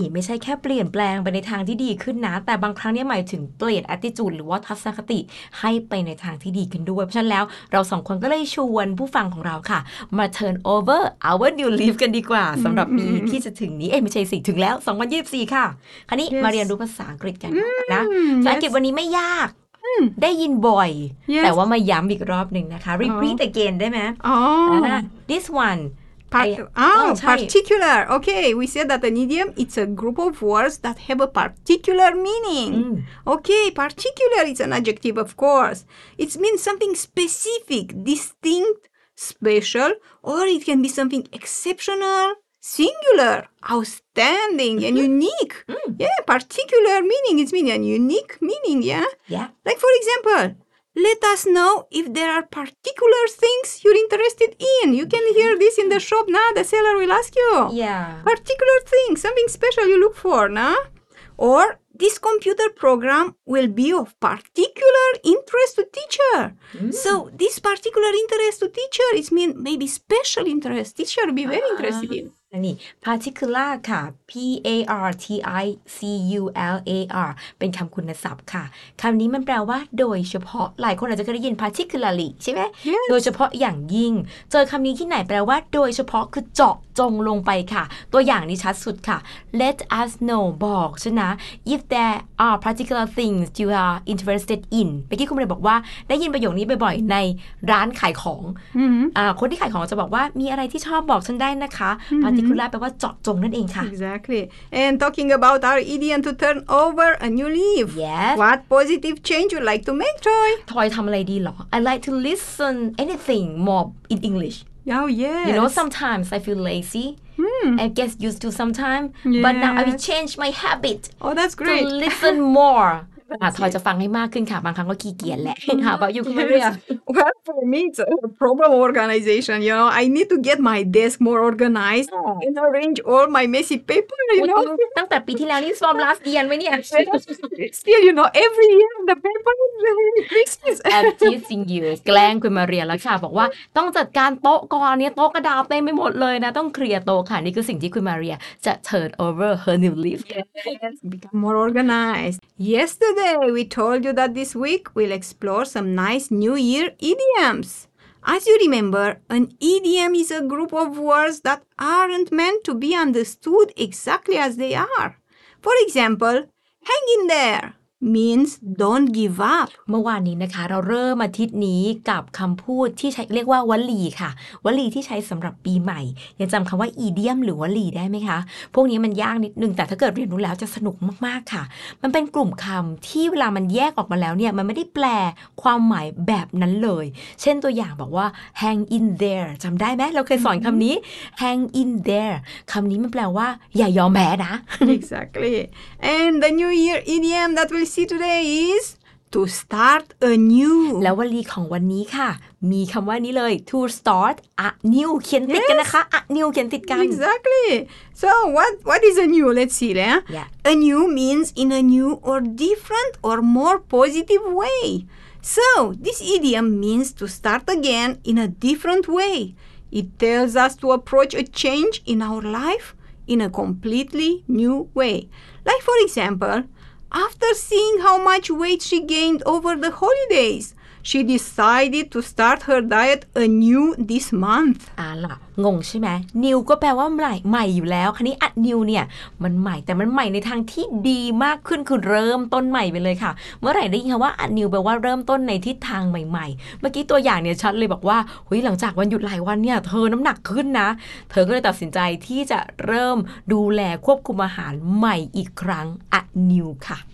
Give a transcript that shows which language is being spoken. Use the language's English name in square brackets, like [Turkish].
[Thai] นี่ไม่ใช่แค่เปลี่ยนแปลงไปในทางที่ดีขึ้นนะแต่บางครั้งเนี่ยหมายถึงเปลี่ยน attitude หรือว่าทัศนคติให้ไปในทางที่ดีขึ้นด้วยเพราะฉะนั้นแล้วเราสองคนก็เลยชวนผู้ฟังของเราค่ะมา [English] turn over our new leaf [Thai] กันดีกว่าสำหรับปีที่จะถึงนี้เอ้ยไม่ใช่สิถึงแล้ว2024ค่ะคราวนี้ [English] yes. [Thai] มาเรียนรู้ภาษาอังกฤษกันนะภ า ษาอังกฤษวันนี้ไม่ยากได้ยินบ่อย [English] yes. [Thai] แต่ว่ามาย้ำอีกรอบหนึ่งนะคะ [English] repeat again [Thai] ได้ไหม [English] this one particular okay we said that an idiom it's a group of words that have a particular meaning okay particular is an adjective of course it means something specific distinct special or it can be something exceptionalSingular, outstanding, and unique. Yeah, particular meaning. It's meaning a unique meaning, yeah? Yeah. Like, for example, let us know if there are particular things you're interested in. You can hear this in the shop now. The seller will ask you. Yeah. Particular thing, something special you look for, no? Or this computer program will be of particular interest to teacher. So this particular interest to teacher, it means maybe special interest. Teacher will be very interested in. [Thai] นี่ particular ค่ะ particular เป็นคำคุณศัพท์ค่ะคำนี้มันแปลว่าโดยเฉพาะหลายคนอาจจะเคยได้ยิน particularly ใช่ไหม [English] yes. [Thai] โดยเฉพาะอย่างยิ่งเจอคำนี้ที่ไหนแปลว่าโดยเฉพาะคือเจาะจงลงไปค่ะตัวอย่างนี้ชัดสุดค่ะ [English] let us know [Thai] บอกฉันนะ [English] if there are particular things you are interested in [Thai] เมื่อกี้คุณเรียนบอกว่าได้ยินประโยคนี้บ่อยๆในร้านขายของ คนที่ขายของจะบอกว่ามีอะไรที่ชอบบอกฉันได้นะคะ particular แปลว่าเจาะจงนั่นเองค่ะ [English] exactly and talking about our idiom to turn over a new leaf yes what positive change you like to make Troy Troy [Thai] ทำอะไรดีหรอ [English] I like to listen anything more in English Oh, yes. You know, sometimes I feel lazy. Hmm. I get used to sometimes. Yes. But now I will change my habit. Oh, that's great. To listen more. [Thai] That's Thoy จะฟังให้มากขึ้นค่ะบางครั้งก็ขี้เกียจแหละ [English] How about you, Maria? Well, for me, it's a problem organization. You know, I need to get my desk more organized and arrange all my messy paper, you know. [Thai] ตั้งแต่ปีที่แล้วนี่ [English] from last year, [Thai] ไม่เนี่ย [English] Still, you know, every year the paper is increases. I'm teasing you. [Thai] แกล้งคุณ Maria แล้วค่ะบอกว่าต้องจัดการโต๊ะก่อนเนี่ยโต๊ะกระดาษเต็มไปหมดเลยนะต้องเคลียร์โต๊ะค่ะนี่คือสิ่งที่คุณ Maria จะ [English] turn over her new leaf. Become more organized. Yesterday, we told you that this week we'll explore some nice New Year idioms. As you remember, an idiom is a group of words that aren't meant to be understood exactly as they are. For example, hang in there means don't give up. [Thai] เมื่อวานนี้นะคะเราเริ่มอาทิตย์นี้กับคำพูดที่ใช้เรียกว่าวลีค่ะวลีที่ใช้สำหรับปีใหม่ยังจำคำว่าอีเดียมหรือวลีได้ไหมคะพวกนี้มันยากนิดนึงแต่ถ้าเกิดเรียนรู้แล้วจะสนุกมากๆค่ะมันเป็นกลุ่มคำที่เวลามันแยกออกมาแล้วเนี่ยมันไม่ได้แปลความหมายแบบนั้นเลยเช่นตัวอย่างบอกว่า [English] hang in there [Thai] จำได้ไหมเราเคยสอนคำนี้ hang in there คำนี้มันแปลว่าอย่ายอมแพ้นะ [English] exactly and the new year idiom that we'll see today is to start anew [Thai] แล้ววลีของวันนี้ค่ะมีคำว่านี้เลย [English] to start anew [Thai] เขียนติดกันนะคะ anew เขียนติดกัน [English] exactly so what is anew let's see yeah anew means in a new or different or more positive way so this idiom means to start again in a different way it tells us to approach a change in our life in a completely new way like for examplesAfter seeing how much weight she gained over the holidays, she decided to start her diet anew this month. [Thai] อ่ะล่ะงงใช่ไหม New ก็แปลว่าใหม่ใหม่อยู่แล้วคราวนี้อัด New เนี่ยมันใหม่แต่มันใหม่ในทางที่ดีมากขึ้นคือเริ่มต้นใหม่ไปเลยค่ะเมื่อไหร่ได้ยินคำว่าอัด New แปลว่าเริ่มต้นในทิศทางใหม่ๆเมื่อกี้ตัวอย่างเนี่ยชัดเลยบอกว่าหุยหลังจากวันหยุดหลายวันเนี่ยเธอน้ำหนักขึ้นนะเธอก็เลยตัดสินใจที่จะเริ่มดูแลควบคุมอาหารใหม่อีกครั้งอัด New ค่ะ